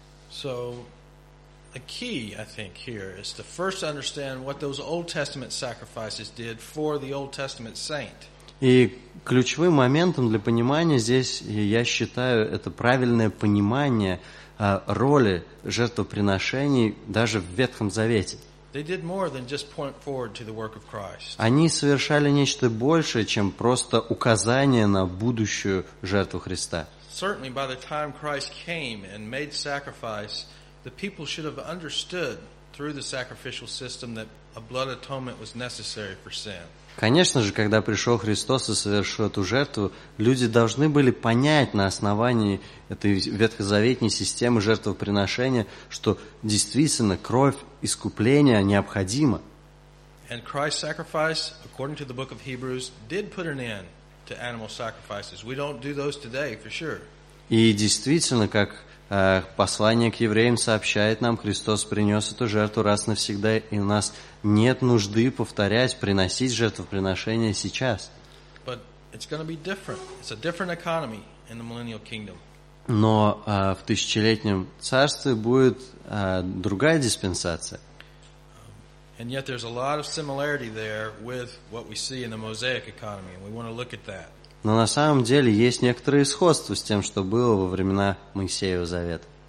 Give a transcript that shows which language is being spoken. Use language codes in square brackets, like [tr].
[en] So, the key, I think, here is to first understand what those Old Testament sacrifices did for the Old Testament saint. [ru] И ключевым моментом для понимания здесь, я считаю, это правильное понимание роли жертвоприношений даже в Ветхом Завете. [en] They did more than just point forward to the work of Christ. [ru] Они совершали нечто большее, чем просто указание на будущую жертву Христа. [en] Certainly, by the time Christ came and made sacrifice, the people should have understood through the sacrificial system that a blood atonement was necessary for sin. [ru] Конечно же, когда пришел Христос и совершил эту жертву, люди должны были понять на основании этой ветхозаветной системы жертвоприношения, что действительно кровь искупления необходима. [en] And Christ's sacrifice, according to the book of Hebrews, did put an end to animal sacrifices. We don't do those today, for sure. [ru] И действительно, как послание к евреям сообщает нам, Христос принес эту жертву раз навсегда, и у нас нет нужды повторять, приносить жертвоприношение сейчас. [en] But it's going to be different. It's a different economy in the millennial kingdom. [ru] Но в тысячелетнем царстве будет другая диспенсация. [en] And yet there's a lot of similarity there with what we see in the Mosaic economy, and we want to look at that. [ru] Но на самом деле есть некоторые сходства с тем, что было во времена Моисеева Завета.